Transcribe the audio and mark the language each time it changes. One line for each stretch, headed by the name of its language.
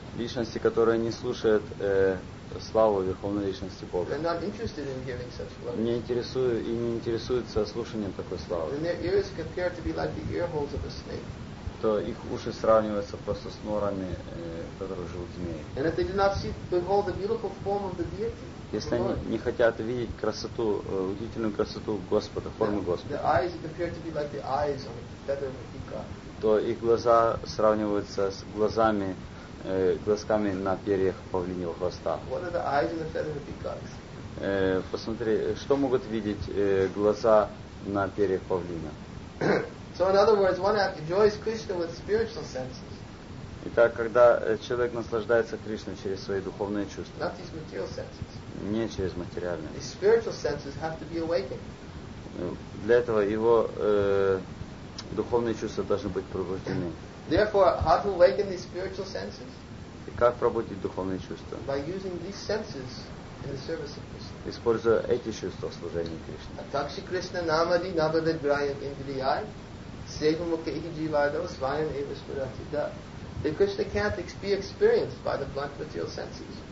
Russian: личности, которые не слушают славу Верховной Личности Бога,
English: they're not interested in hearing such glories.
Russian: Не интересуют и не интересуются слушанием такой славы.
English: Then their ears compare to be like the ear holes of a snake.
Russian: То их уши сравниваются просто с норами, которые живут змеи.
English: And if they do not see, behold the beautiful form of the deity.
Russian: Если они не хотят видеть красоту, удивительную красоту Господа, формы Господа.
English: Their eyes compare to be like the eyes of a feather of a peacock.
Russian: То их глаза сравниваются с глазами. Глазками на перьях павлиньего хвоста.
English: What are the eyes and the feathers of peacocks?
Russian: Посмотри, что могут видеть глаза на перьях павлина.
English: So in other words, one enjoys Krishna with spiritual senses.
Russian: Итак, когда человек наслаждается Кришной через свои духовные чувства.
English: Not these material senses.
Russian: Не через материальные.
English: His spiritual senses have to be awakened.
Russian: Для этого его духовные чувства должны быть пробуждены.
English: Therefore, how to awaken these spiritual senses?
Russian: И как пробудить духовные чувства?
English: By using these senses in the service of Krishna.
Russian: Используя эти чувства в служении Кришне.
Sanskrit: Атакши Кришна намади набадад грайам индриай сейва мукхи дживадо свайам эва смратида.
English: The Krishna can't be experienced by the blunt material senses.